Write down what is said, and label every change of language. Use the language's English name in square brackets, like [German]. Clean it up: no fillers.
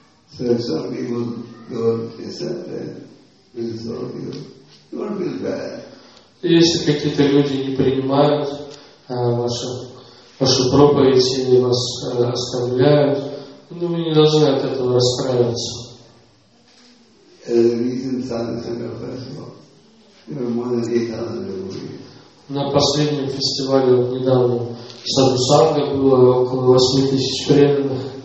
[English] So some people don't accept that. It is all good. Don't feel bad. [Russian] Если какие-то люди не принимают вашу проповедь или вас оскорбляют, ну вы не должны от этого расстраиваться. [English] As a recent Sankara festival, there were more than 8,000 devotees. [Russian] На последнем фестивале недавно Саду Санга было около 8,000 преданных.